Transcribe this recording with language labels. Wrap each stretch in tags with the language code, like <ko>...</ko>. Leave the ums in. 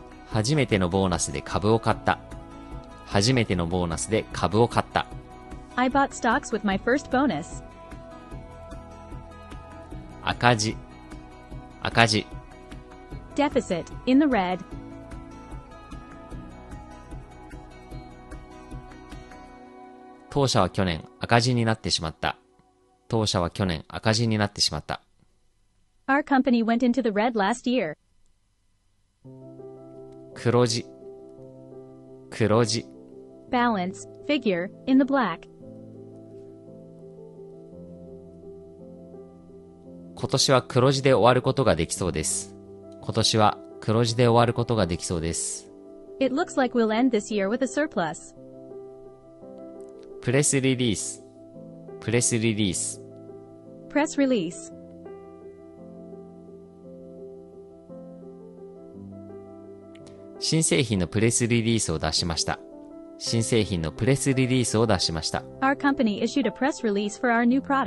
<ja>初めてのボーナスで株を買った初めてのボーナスで株を買った</ja> <en>I bought stocks with my first bonus</en> <ja>赤字赤字</ja> <en>deficit in the red</en> <ja>当社は去年赤字になってしまった。当社は去年赤字になってしまった。</ja> <en>Our company went into the red last year.</en> <ja>黒字黒字</ja> <en>balance, figure, in the black.</en> <ja>今年は黒字で終わることができそうです。今年は黒字で終わることができそうです。</ja> <en>It looks like we'll end this year with a surplus.</en> <ja>プレスリリース、プレスリリース。プレスリリース。新製品のプレスリリースを出しました。新製品のプレスリリースを出しました。</ja> <en>Our c o m p issued a press release for our n</en>